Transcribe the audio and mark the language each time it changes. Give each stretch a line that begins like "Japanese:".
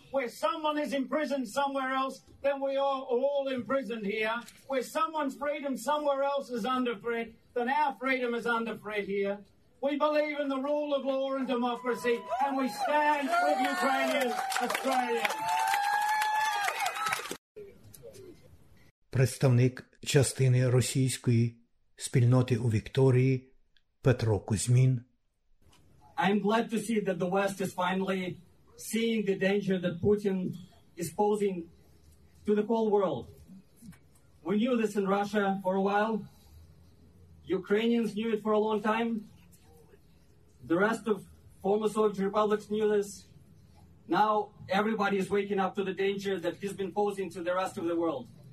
English: Where someone is imprisoned somewhere else, then we are all imprisoned here. Where someone's freedom somewhere else is under threat, then our freedom is under threat here. We believe in the rule of law and democracy, and we stand with Ukrainian Australians.
Ukrainian: Представник частини російської спільноти у Вікторії Петро Кузьмін.
English: I'm glad to see that the West is finally seeing the danger that Putin is posing to the whole world. We knew this in Russia for a while. Ukrainians knew it for a long time. The rest of former Soviet republics knew this. Now everybody is waking up to the danger that he's been posing to the rest of the world.